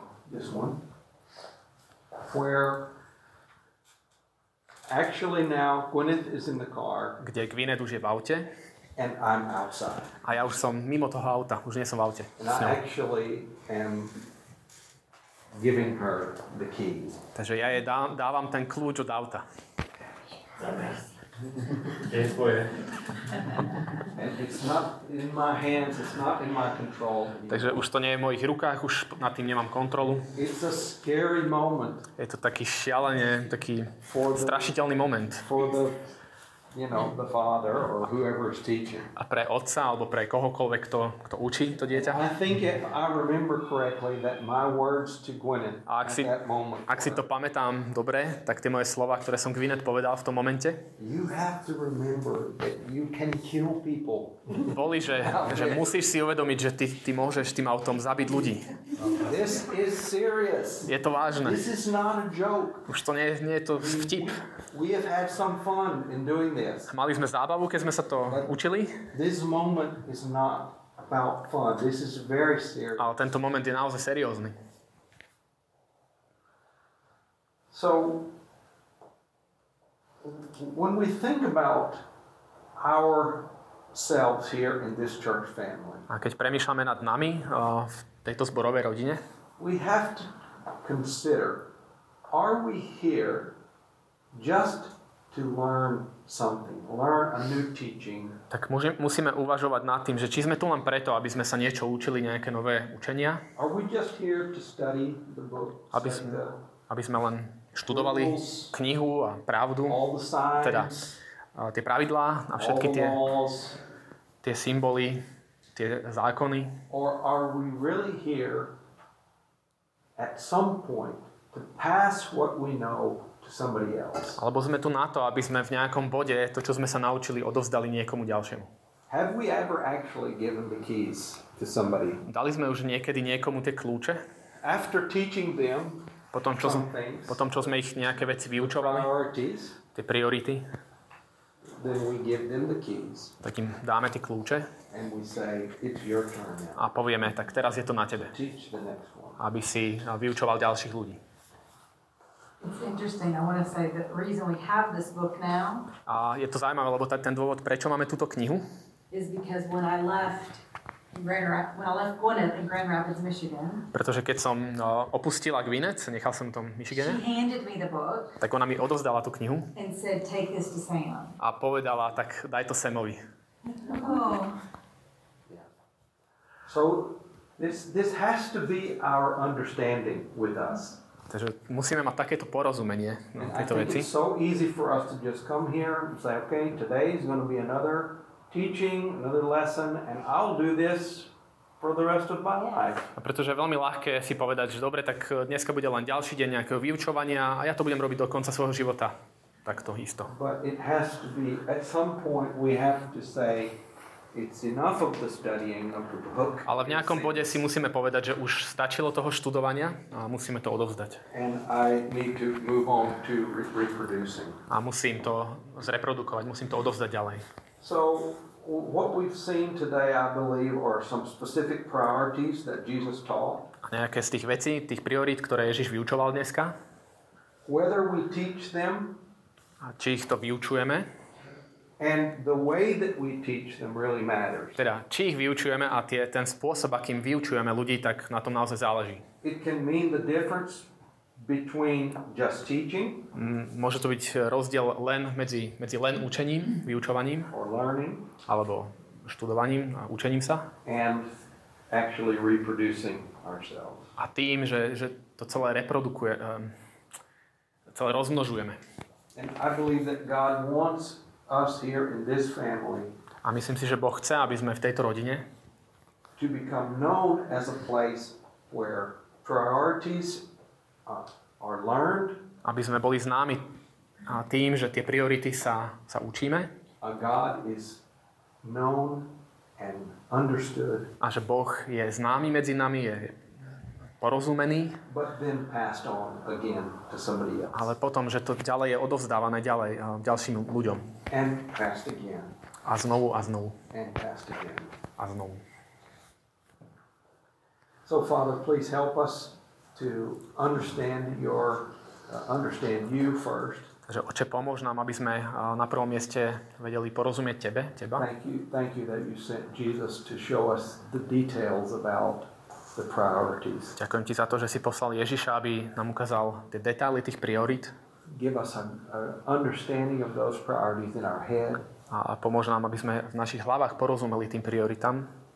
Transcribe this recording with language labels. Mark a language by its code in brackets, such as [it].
[en] This one, where actually now Gwyneth is in the car. [sk] Kde Gwyneth už je v aute. [en] And I'm outside. [sk] A ja už som mimo toho auta, už nie som v aute. [en] And I actually am giving her the key. [sk] Takže ja jej dávam ten kľúč od auta. Je tvoje. [en] And it's not in my hands, it's not in my control. [sk] Takže už to nie je v mojich rukách, už nad tým nemám kontrolu. [en] It's a scary moment. [sk] Je to taký šialene, taký strašiteľný moment. [en] For the, you know, the father or whoever is teaching. [sk] A pre otca alebo pre kohokoľvek, kto učí to dieťa. [en] I think if I remember correctly that my words to Gwyneth at that moment. [sk] Ak si to pamätám dobre, tak tie moje slova, ktoré som Gwyneth povedal v tom momente. [en] You have to remember that you can kill people. [sk] Boli, že musíš si uvedomiť, že ty môžeš tým autom zabiť ľudí. [en] This is serious. [sk] Je to vážne. [en] This is not a joke. [sk] Už to nie je to vtip. [en] We have had some fun in doing this. [sk] Mali sme zábavu, keď sme sa to učili. [en] This moment is not about fun. This is very serious. [sk] Ale tento moment je naozaj seriózny. [en] So when we think about ourselves here in this church family. [sk] A keď premýšľame nad nami v tejto zborovej rodine, [en] we have to consider, are we here just to learn something, learn a new teaching. [sk] Tak musíme uvažovať nad tým, že či sme tu len preto, aby sme sa niečo učili, nejaké nové učenia. [en] Are we just here to study the book? [sk] Aby sme len študovali knihu a pravdu. [en] All the signs, [sk] teda tie pravidlá a všetky [en] all the laws, [sk] tie symboly, tie zákony. [en] Or are we really here at some point to pass what we know somebody else. [sk] Alebo sme tu na to, aby sme v nejakom bode to, čo sme sa naučili, odovzdali niekomu ďalšiemu. [en] Have we ever actually given the keys to somebody? [sk] Dali sme už niekedy niekomu tie kľúče? [en] After teaching them, [sk] potom čo sme ich nejaké veci vyučovali, tie priority, [en] then we give them the keys. [sk] Tak im dáme tie kľúče. [en] And we say, it's your turn now. [sk] A povieme, tak teraz je to na tebe. [en] Teach the next one. [sk] Aby si vyučoval ďalších ľudí. [en] It's interesting. I want to say that the reason we have this book now. [sk] A je to zaujímavé, lebo ten dôvod, prečo máme túto knihu? [en] Is because when I left Gwyneth in Grand Rapids, Michigan. [sk] Pretože keď som opustila Gwyneth, nechal som to v Michigane. [en] She handed me the book. [sk] Tak ona mi odovzdala tú knihu. [en] And said, "Take this to Sam." [sk] A povedala, tak daj to Samovi. Oh. [en] So this has to be our understanding with us. [sk] Takže musíme mať takéto porozumenie tejto veci. [en] It's so easy for us to just come here and say, okay, today is going to be another teaching, another lesson, and I'll do this for the rest of my life. [sk] A pretože je veľmi ľahké si povedať, že dobre, tak dneska bude len ďalší deň nejakého vyučovania a ja to budem robiť do konca svojho života. tak to isto. [en] But it has to be, at some point we have to say it's enough of the studying of the book. [sk] Ale v nejakom bode si musíme povedať, že už stačilo toho študovania a musíme to odovzdať. [en] And I need to move on to reproducing. [sk] A musím to zreprodukovať, musím to odovzdať ďalej. [en] So what we've seen today, I believe, are some specific priorities that Jesus taught. [sk] A nejaké z tých vecí, tých priorít, ktoré Ježiš vyučoval dneska? [en] Whether we teach them, [sk] a či ich to vyučujeme? [en] And the way that we teach them really matters. [sk] Teda, či ich vyučujeme a tie, ten spôsob, akým vyučujeme ľudí, tak na tom naozaj záleží. [en] It can mean the difference between just teaching. [sk] Môže to byť rozdiel len medzi len učením, vyučovaním. [en] Or learning. [sk] Alebo študovaním a učením sa. [en] And actually reproducing ourselves. [sk] A tým, že to celé reprodukuje, celé rozmnožujeme. [en] And I believe that God wants us here in this family. [sk] A myslím si, že Boh chce, aby sme v tejto rodine [en] to become known as a place where priorities are learned. [sk] Aby sme boli známi tým, že tie priority sa učíme. [en] A God is known and understood. [sk] A že Boh je známy medzi nami, je porozumený. [en] But then passed on again to somebody else. [sk] Ale potom, že to ďalej je odovzdávané ďalej ďalším ľuďom. [en] And passed again. [sk] A znovu a znovu. [en] And passed again. [sk] A znovu. [en] So Father, please help us to understand your understand you first. [sk] Takže Oče, pomôž nám, aby sme na prvom mieste vedeli porozumieť teba. [en] Thank you that you sent Jesus to show us the details about the priorities. [sk] Ďakujem ti za to, že si poslal Ježiša, aby nám ukázal tie detaily tých priorít. [en] Give us an understanding of those priorities in our head. [sk] A pomôž nám, aby sme v našich hlavách porozumeli tým prioritám.